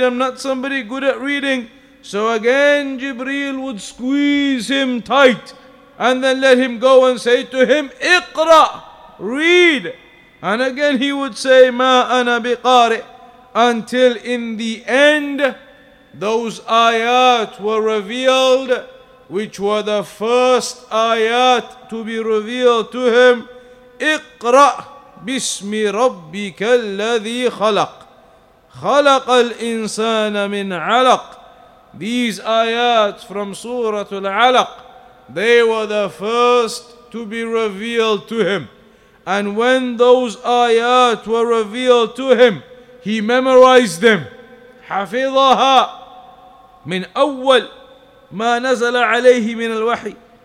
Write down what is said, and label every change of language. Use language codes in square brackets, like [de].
[en] I'm not somebody good at reading. So again Jibreel would squeeze him tight and then let him go and say to him, اقرأ, read. And again he would say, [ar] ما أنا بقارئ, [en] until in the end, those ayat were revealed, which were the first ayat to be revealed to him. [ar] اقرأ بسم ربك الذي خلق, خلق الإنسان من علق. [en] These ayat from Surah Al-Alaq, they were the first to be revealed to him. And when those ayat were revealed to him, he memorized them. [ar] حَفِظَهَا مِنْ أَوَّلْ مَا نَزَلَ عَلَيْهِ مِنَ الْوَحِيِ.